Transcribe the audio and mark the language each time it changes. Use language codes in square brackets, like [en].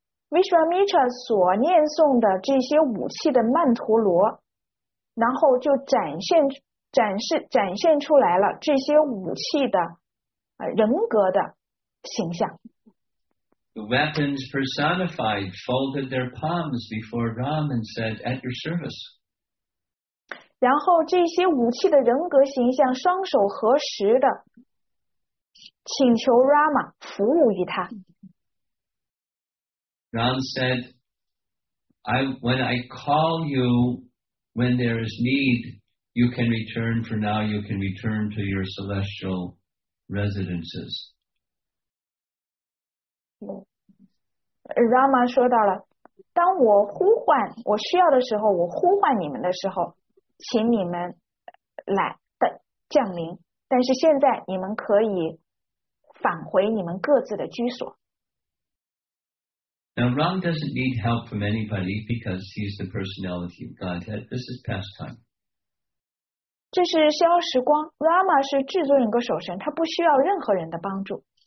[zh] Vishwamitra 所念诵的这些武器的曼陀罗，然后就展现出来了这些武器的人格的形象。 [en] The weapons personified folded their palms before Ram and said, "At your service." [zh] 然后这些武器的人格形象双手合十的请求 Rama 服务于他。 [en] Ram said, when I call you, when there is need, you can return. For now, you can return to your celestial residences." [zh] Rama 说到了，当我呼唤我需要的时候，我呼唤你们的时候，请你们来的降临。但是现在，你们可以返回你们各自的居所。 [en] Now, Ram doesn't need help from anybody because he's the personality of Godhead. This is past time. [zh] 这是消时光。 Rama 是至尊一个守神，他不需要任何人的帮助。